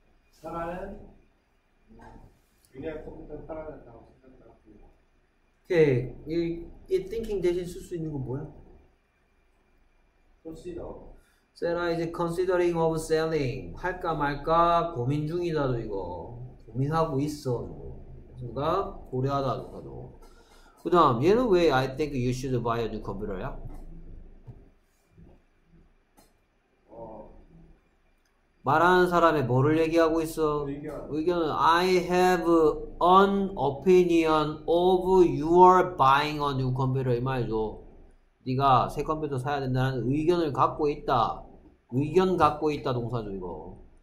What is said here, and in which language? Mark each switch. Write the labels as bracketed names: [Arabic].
[Korean] 사라는 그냥 컴퓨터 사라졌다고 오케이. 이 thinking 대신 쓸수 있는 건 뭐야? [English] consider Sarah is considering of selling. [Korean] 할까 말까 고민 중이다도 이거. 고민하고 있어. 누가 고려하다 누가도. 그다음 얘는 왜 [English] I think you should buy a new computer야? [Korean] 말하는 사람의 뭐를 얘기하고 있어? 의견은 [English] I have an opinion of your buying a new computer [Korean] 이 말이죠. 네가 새 컴퓨터 사야 된다는 의견을 갖고 있다. 의견 갖고 있다 동사죠 이거.